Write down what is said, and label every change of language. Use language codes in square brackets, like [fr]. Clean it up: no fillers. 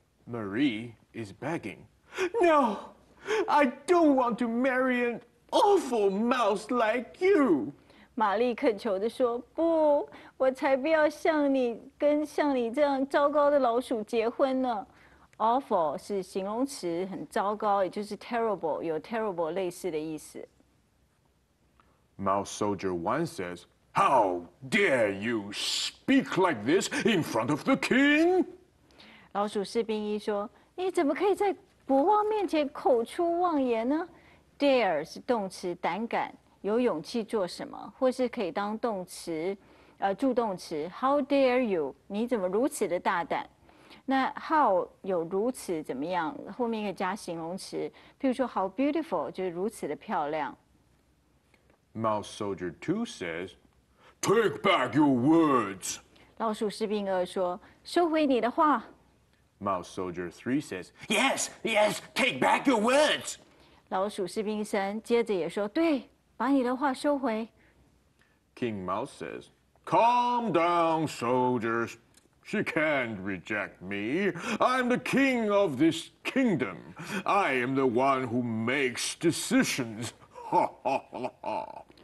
[en] Marie is begging, "No, I don't want to marry an awful mouse like you." [zh] 玛丽恳求地说，不，我才不要像你跟像你这样糟糕的老鼠结婚呢。 awful 是形容词，很糟糕，也就是 terrible 有 terrible 类似的意思。 [en] Mouse Soldier One says, "How dare you speak like this in front of the king?" [zh] 老鼠士兵一说，你怎么可以在国王面前口出妄言呢？ Dare 是动词，胆敢，有勇气做什么，或是可以当动词，助动词。 [en] How dare you？ [zh] 你怎么如此的大胆？那 how 有如此怎么样？后面可以加形容词，譬如说 [en] how beautiful [zh] 就是如此的漂亮。 [en] Mouse Soldier Two says, "Take back your words." [zh] 老鼠士兵二说，收回你的话。 [en] Mouse Soldier 3 says, "Yes, yes, take back your words." [zh] 老鼠士兵三接着也说，对，把你的话收回。 [en] King Mouse says, "Calm down, soldiers. She can't reject me. I'm the king of this kingdom. I am the one who makes decisions." Ha ha ha ha.